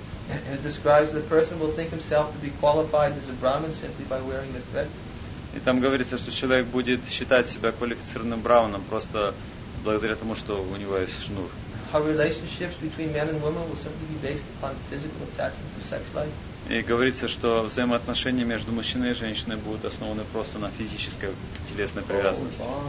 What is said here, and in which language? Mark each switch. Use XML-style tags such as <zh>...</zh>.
<en>And it describes the person will think himself to be qualified as a Brahmin simply by wearing the thread.</en> <ru>И там говорится, что человек будет считать себя квалифицированным брауном просто благодаря тому, что у него есть шнур.</ru> <en>Our relationships between men and women will simply be based upon physical attraction for sex life.</en> <ru>И говорится, что взаимоотношения между мужчиной и женщиной будут основаны просто на физической телесной привязанности.</ru>